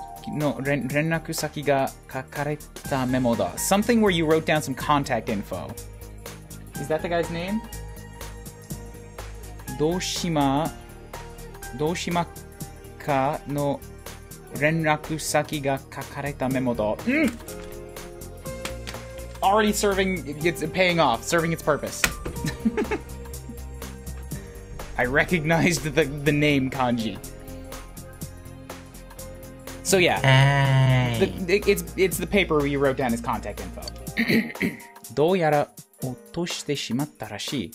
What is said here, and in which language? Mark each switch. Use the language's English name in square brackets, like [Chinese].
[Japanese] 普通の連絡先が書かれたメモだ。 [English] Something where you wrote down some contact info. Is that the guy's name? [Japanese] 堂島かの連絡先が書かれたメモだ。 [English] Already serving, it's paying off, serving its purpose. I recognized the name kanji. So yeah. It's the paper where you wrote down his contact info. [Japanese] どうやら落としてしまったらしい。